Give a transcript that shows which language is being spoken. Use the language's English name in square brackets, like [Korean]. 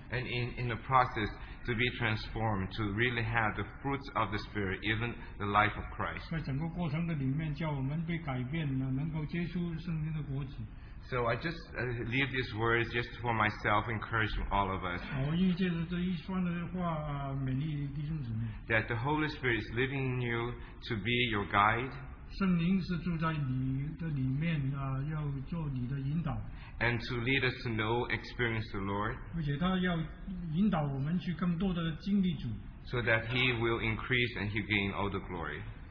[English] And in the process to be transformed, to really have the fruits of the Spirit, even the life of Christ. [Chinese] 在整个过程的里面叫我们被改变了，能够接触圣灵的果子。 [English] So I just leave these words just for myself, encouraging all of us. That the Holy Spirit is living in you to be your guide. [Chinese] 圣灵是住在你的里面，要做你的引导。 [English] And to lead us to know, experience the Lord. [Chinese] 而且他要引导我们去更多的经历主。 [English] So that He will increase and He gain all the glory.